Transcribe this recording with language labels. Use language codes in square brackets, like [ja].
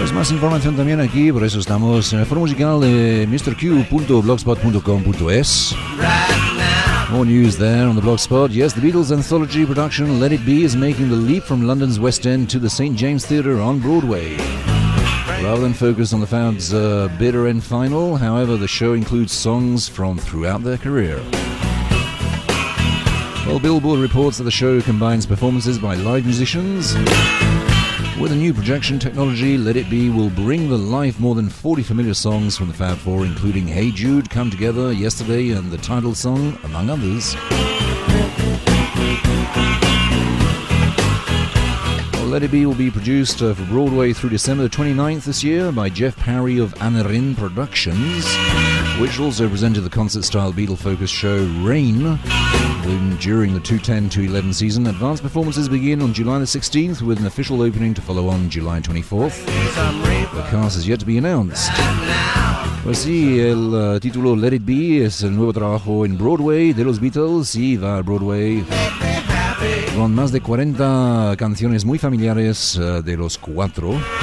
[es] Información también aquí, por eso estamos en el foro musical de MrQ.blogspot.com.es. [en] More news there on the Blogspot. Yes, the Beatles anthology production Let It Be is making the leap from London's West End to the St. James Theatre on Broadway. Rather than focus on the fans' bitter end final, however, the show includes songs from throughout their career. Well, Billboard reports that the show combines performances by live musicians. With a new projection technology, Let It Be will bring to life more than 40 familiar songs from the Fab Four, including Hey Jude, Come Together, Yesterday, and the title song, among others. Well, Let It Be will be produced for Broadway through December 29th this year by Jeff Parry of Anarin Productions, which also presented the concert-style Beatle-focused show Rain. During the 2010-2011 season, advanced performances begin on July the 16th with an official opening to follow on July 24th. The cast has yet to be announced. [es] Pues sí, el título Let It Be es el nuevo trabajo en Broadway de los Beatles y va a Broadway con más de 40 canciones muy familiares de los cuatro.